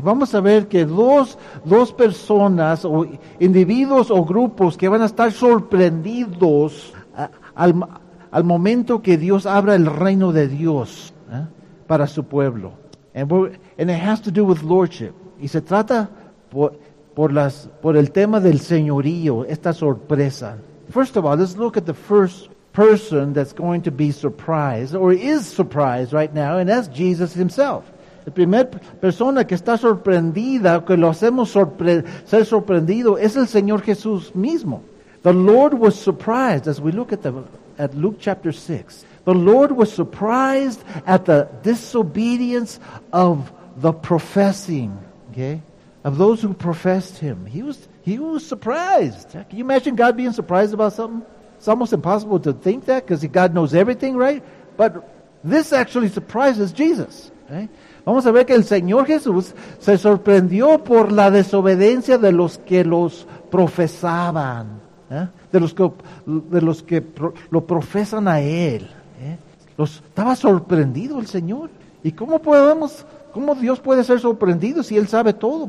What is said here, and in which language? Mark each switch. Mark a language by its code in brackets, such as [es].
[es] Vamos a ver que dos personas o individuos o grupos que van a estar sorprendidos al momento que Dios abra el reino de Dios para su pueblo. [en] And it has to do with lordship. [es] Y se trata por el tema del Señorío, esta sorpresa. [en] First of all, let's look at the first person that's going to be surprised, or is surprised right now, and that's Jesus Himself. La primera persona que está sorprendida, que lo hacemos ser sorprendido, es el Señor Jesús mismo. The Lord was surprised, as we look at Luke chapter 6. The Lord was surprised at the disobedience of the professing, okay, of those who professed Him. He was surprised. Can you imagine God being surprised about something? It's almost impossible to think that because God knows everything, right? But this actually surprises Jesus, okay? [es] Vamos a ver que el Señor Jesús se sorprendió por la desobediencia de los que los profesaban. De los que lo profesan a Él. Estaba sorprendido el Señor. ¿Y cómo Dios puede ser sorprendido si Él sabe todo?